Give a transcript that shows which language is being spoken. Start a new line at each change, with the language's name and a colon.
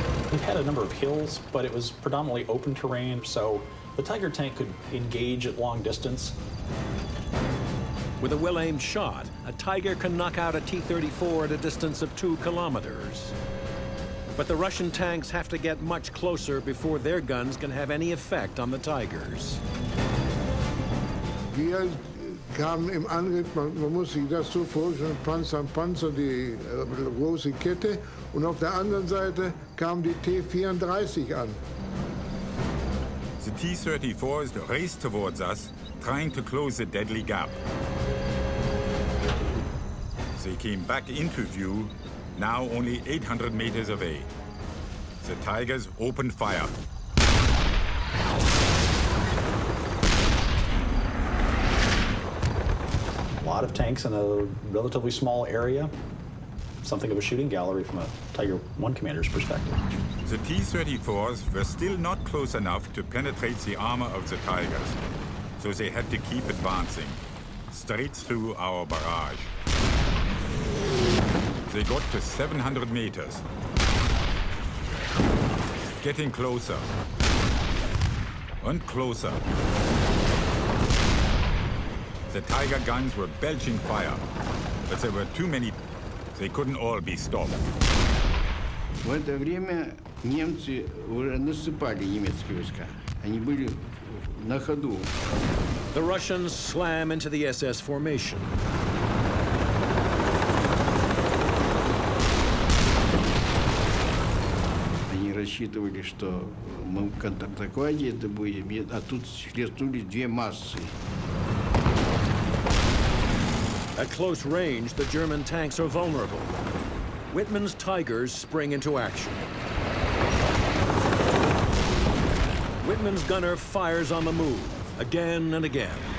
English: We had a number of hills, but it was predominantly open terrain, so the Tiger tank could engage at long distance. With a well-aimed shot, a Tiger can knock out a T-34 at a distance of 2 kilometers. But the Russian tanks have to get much closer before their guns can have any effect on the Tigers.
German: Wir kamen im Angriff, man muss sich das so vorstellen, Panzer an Panzer, die große Kette. Und auf der anderen Seite kamen die T-34 an.
English: The T-34 is raced towards us, trying to close the deadly gap. They came back into view, now only 800 meters away. The Tigers opened fire. A lot of tanks in a relatively small area. Something of a shooting gallery from a Tiger I commander's perspective. The T-34s were still not close enough to penetrate the armor of the Tigers, so they had to keep advancing, straight through our barrage. They got to 700 meters. Getting closer. And closer. The Tiger guns were belching fire, but there were too many. They couldn't all be stopped.
Russian: В это время немцы уже насыпали немецкие войска. Они были на ходу.
English: The Russians slam into the SS formation.
Russian: Они рассчитывали, что мы в контратаке это будем, а тут схлестнулись две массы.
English: At close range, the German tanks are vulnerable. Wittmann's Tigers spring into action. Wittmann's gunner fires on the move, again and again.